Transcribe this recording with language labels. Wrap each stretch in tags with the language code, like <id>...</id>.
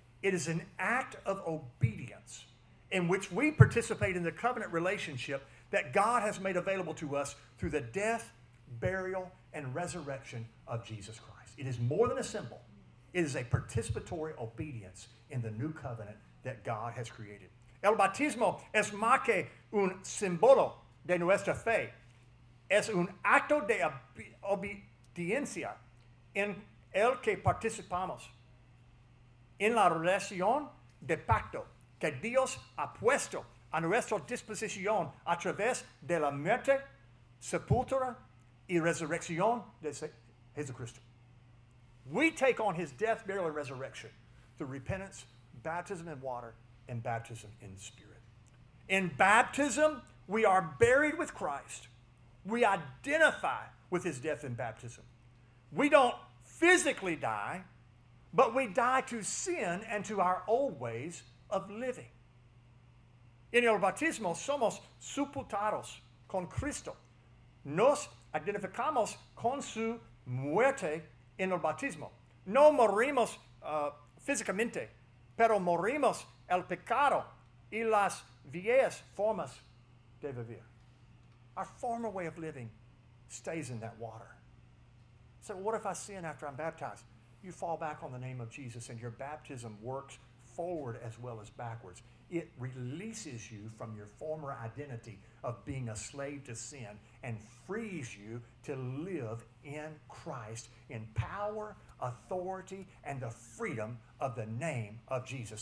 <en>It is an act of obedience in which we participate in the covenant relationship that God has made available to us through the death, burial, and resurrection of Jesus Christ. It is more than a symbol. It is a participatory obedience in the new covenant that God has created.</en> <es>El bautismo es más que un símbolo de nuestra fe. Es un acto de obediencia en el que participamos en la relación de pacto que Dios ha puesto a nuestra disposición a través de la muerte, sepultura y resurrección de Jesucristo.</es> <en>We take on his death, burial, and resurrection through repentance, baptism in water, and baptism in spirit. In baptism, we are buried with Christ. We identify with his death in baptism. We don't physically die, but we die to sin and to our old ways of living.</en> <es>En el bautismo somos sepultados con Cristo. Nos identificamos con su muerte en el bautismo. No morimos físicamente, pero morimos el pecado y las viejas formas de vivir.</es> <en>Our former way of living stays in that water. So what if I sin after I'm baptized? you fall back on the name of Jesus, and your baptism works forward as well as backwards. It releases you from your former identity of being a slave to sin and frees you to live in Christ in power, authority, and the freedom of the name of Jesus.</en>